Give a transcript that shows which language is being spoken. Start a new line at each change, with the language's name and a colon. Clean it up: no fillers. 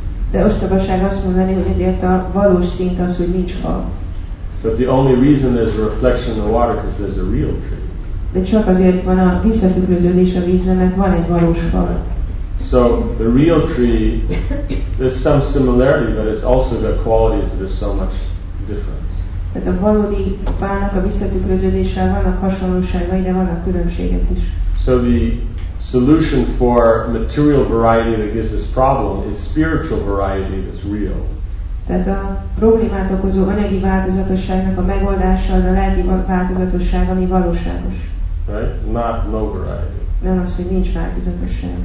Hungarian: De ostobaság azt mondani, hogy ezért a valós szint az, hogy nincs fa.
English: But the only reason there's a reflection in the water is because there's a real tree.
Hungarian: De csak azért van a visszatükröződés a vízben, mert van egy valós fa.
English: So the real tree, there's some similarity, but it's also the qualities that are so much different.
Hungarian: Tehát a valódi fának a visszatükröződéssel vannak hasonlóságai, de vannak különbségek is.
English: So the solution for material variety that gives us problem is spiritual variety that's real.
Hungarian: Tehát a problémát okozó anyagi változatosságnak a megoldása az a lelki változatosság, ami valóságos.
English: Right? Not no variety. Nem az, hogy nincs változatosság.